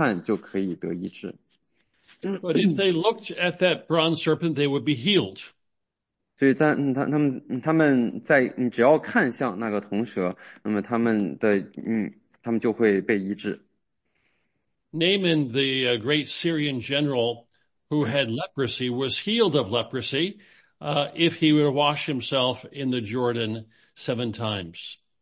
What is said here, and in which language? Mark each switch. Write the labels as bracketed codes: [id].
[en] But if they looked at that bronze serpent, they would be healed. [zh] 所以他们只要看向那个铜蛇，那么他们就会被医治。Naaman, [en] the great Syrian general who had leprosy, was healed of leprosy, if he would wash himself in the Jordan 7 times.